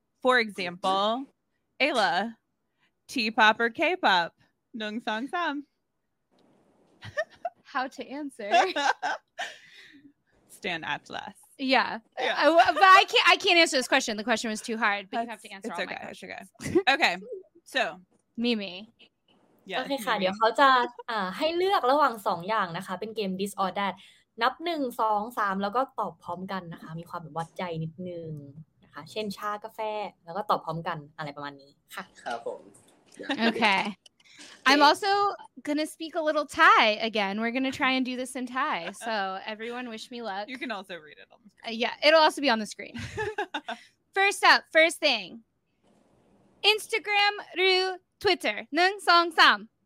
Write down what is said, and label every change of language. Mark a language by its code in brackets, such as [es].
[en] For example, Ayla, T-pop or K-pop? Nung Song Sam. How to answer. Stan Atlas. Yeah. I can't answer this question. The question was too hard, but you have to answer all my questions. It's okay. Okay. So, Mimi. Yeah. [th] Okay, ค่ะเดี๋ยวเขาจะให้เลือกระหว่าง2อย่างนะคะเป็นเกม This or That นับ1 2 3แล้วก็ตอบพร้อมกันนะคะมีความแบบวัดใจนิดนึงนะคะเช่นชากาแฟแล้วก็ตอบพร้อมกันอะไรประมาณนี้ค่ะ ครับผม [en] Okay. I'm also going to speak a little Thai again. We're going to try and do this in Thai. So everyone wish me luck. You can also read it on the screen. Yeah, it'll also be on the screen. First up, first thing. Instagram, Ru, Twitter. Nung Song Sam.